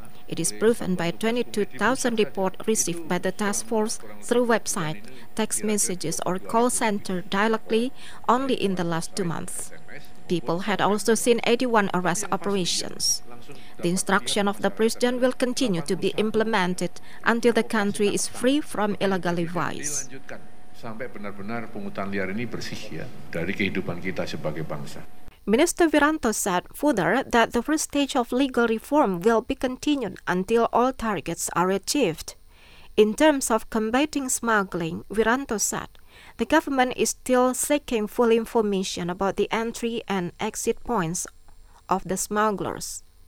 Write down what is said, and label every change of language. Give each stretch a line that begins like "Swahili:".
English: It is proven by 22,000 reports received by the task force through website, text messages or call center directly only in the last 2 months. People had also seen 81 arrest operations. The instruction of the president will continue to be implemented until the country is free from illegal levies.
Indonesian: Sampai benar-benar pungutan liar ini bersih ya dari kehidupan kita sebagai bangsa.
English: Minister Wiranto said further that the first stage of legal reform will be continued until all targets are achieved. In terms of combating smuggling, Wiranto said, the government is still seeking full information about the entry and exit points of the smugglers.